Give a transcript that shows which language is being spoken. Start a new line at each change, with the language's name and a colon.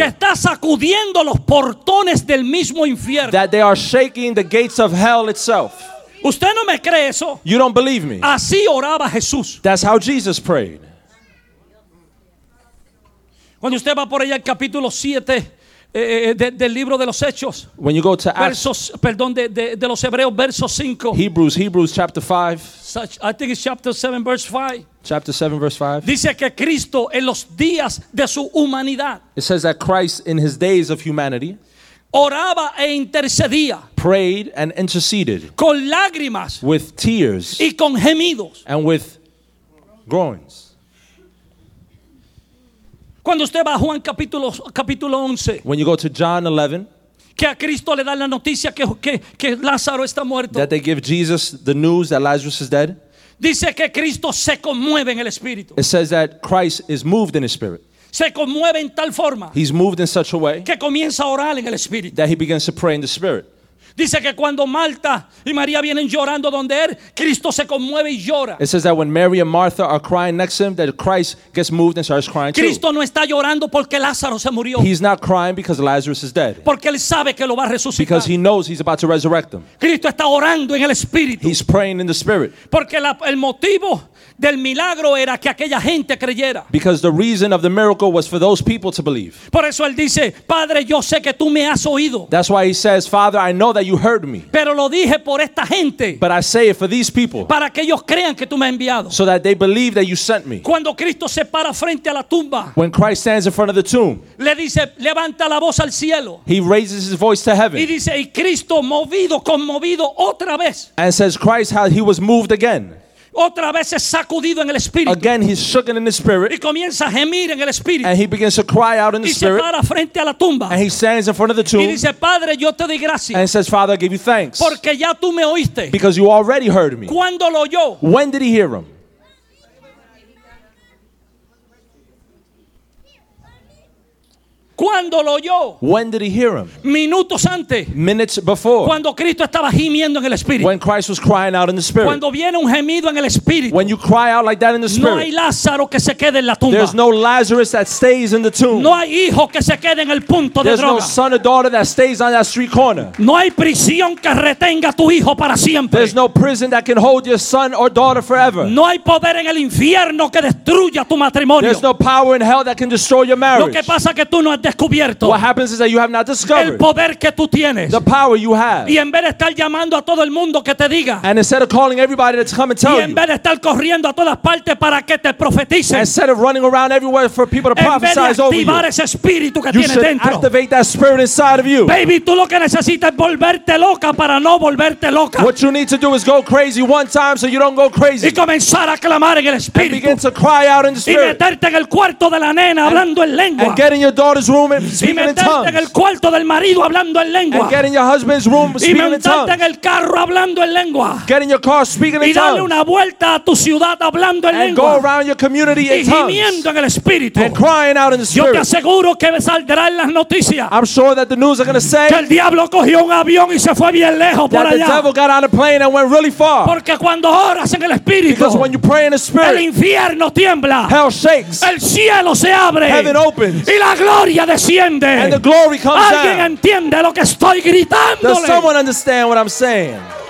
Spanish: que está sacudiendo los portones del mismo infierno.
English: That they are shaking the gates of hell itself.
Spanish: Usted no me cree eso.
English: You don't believe me.
Spanish: Así oraba Jesús.
English: That's how Jesus prayed.
Spanish: Cuando usted va por allá al capítulo 7 del libro de los Hechos.
English: When you go to
Spanish: de los Hebreos, verso 5.
English: Hebrews chapter 5. I think it's chapter 7, verse 5. Chapter 7, verse 5.
Spanish: Dice que Cristo en los días de su humanidad.
English: It says that Christ in his days of humanity.
Spanish: Oraba e intercedía.
English: Prayed and interceded.
Spanish: Con lágrimas.
English: With tears.
Spanish: Y con gemidos.
English: And with groans.
Spanish: Cuando usted va a Juan capítulo 11.
English: When you go to John 11.
Spanish: Que a Cristo le dan la noticia que Lázaro está muerto.
English: That they give Jesus the news that Lazarus is dead.
Spanish: Dice que Cristo se conmueve en el Espíritu.
English: It says that Christ is moved in his spirit.
Spanish: Se conmueve en tal forma.
English: He's moved in such a way.
Spanish: Que comienza a orar en el Espíritu.
English: That he begins to pray in the Spirit.
Spanish: Dice que cuando Marta y María vienen llorando donde él, Cristo se conmueve y llora.
English: It says that when Mary and Martha are crying next to him, that Christ gets moved and starts crying too.
Spanish: Cristo no está llorando porque Lázaro se murió.
English: He's not crying because Lazarus is dead.
Spanish: Porque él sabe que lo va a resucitar.
English: Because he knows he's about to resurrect him.
Spanish: Cristo está orando en el Espíritu.
English: He's praying in the Spirit.
Spanish: Porque el motivo del milagro era que aquella gente creyera.
English: Because the reason of the miracle was for those people to believe.
Spanish: Por eso él dice, Padre, yo sé que tú me has oído.
English: That's why he says, Father, I know that you heard me.
Spanish: Pero lo dije por esta gente.
English: But I say it for these people.
Spanish: Para que ellos crean que tú me has enviado.
English: So that they believe that you sent me.
Spanish: Cuando Cristo se para frente a la tumba.
English: When Christ stands in front of the tomb.
Spanish: Le dice, levanta la voz al cielo.
English: He raises his voice to heaven.
Spanish: Y dice, y Cristo movido, conmovido otra vez.
English: And says, Christ, how he was moved again.
Spanish: Otra vez es sacudido en el Espíritu.
English: Again, he's shaken in the Spirit.
Spanish: Y comienza a gemir en el Espíritu.
English: And he begins to cry out in the Spirit.
Spanish: Y se para frente a la tumba.
English: And he stands in front of the tomb.
Spanish: Y dice, Padre, yo te doy gracias.
English: And says, Father, I give you thanks.
Spanish: Porque ya tú me oíste.
English: Because you already heard me.
Spanish: ¿Cuándo lo oyó?
English: When did he hear him?
Spanish: Cuando lo oyó.
English: When did he hear him?
Spanish: Minutos antes.
English: Minutes before.
Spanish: Cuando Cristo estaba gimiendo en el Espíritu.
English: When Christ was crying out in the Spirit.
Spanish: Cuando viene un gemido en el Espíritu.
English: When you cry out like that in the Spirit.
Spanish: No hay Lázaro que se quede en la tumba.
English: There's no Lazarus that stays in the tomb.
Spanish: No hay hijo que se quede en el punto de droga.
English: There's no son or daughter that stays on that street corner.
Spanish: No hay prisión que retenga tu hijo para siempre.
English: There's no prison that can hold your son or daughter forever.
Spanish: No hay poder en el infierno que destruya tu matrimonio.
English: There's no power in hell that can destroy your marriage.
Spanish: Lo que pasa que tú no has descubierto.
English: What happens is that you have not discovered
Spanish: el poder que tú tienes.
English: The power you have.
Spanish: Y en vez de estar llamando a todo el mundo que te diga.
English: And instead of calling everybody to come and tell you.
Spanish: Y en vez de estar corriendo a todas partes para que te profeticen.
English: Instead of running around everywhere for people to prophesy over you.
Spanish: En vez de activar ese espíritu que tienes dentro.
English: You should activate that spirit inside of you.
Spanish: Baby, tú lo que necesitas es volverte loca para no volverte loca.
English: What you need to do is go crazy one time so you don't go crazy.
Spanish: Y comenzar a clamar en el espíritu.
English: And begin to cry out in the spirit.
Spanish: Y meterte en el cuarto de la nena hablando en lengua.
English: And get in your daughter's room and speaking in tongues.
Spanish: Y meterte en el cuarto del marido hablando en lengua.
English: And get in your husband's room speaking in tongues.
Spanish: Y meterte en el carro hablando en lengua.
English: Get in your car speaking in tongues.
Spanish: Y darle una vuelta a tu ciudad hablando en lengua.
English: And go around your community in tongues.
Spanish: Y gimiendo en el espíritu.
English: And crying out in the spirit.
Spanish: Yo te aseguro que saldrá en las noticias.
English: I'm sure that the news are going to say
Spanish: que el diablo cogió un avión y se fue bien lejos por allá.
English: That the devil got on a plane and went really far.
Spanish: Porque cuando oras en el espíritu.
English: Because when you pray in the spirit.
Spanish: El infierno tiembla.
English: Hell shakes.
Spanish: El cielo se abre.
English: Heaven opens.
Spanish: Y la gloria desciende.
English: And the glory comes down.
Spanish: ¿Alguien entiende lo que estoy gritándole?
English: Does someone understand what I'm saying?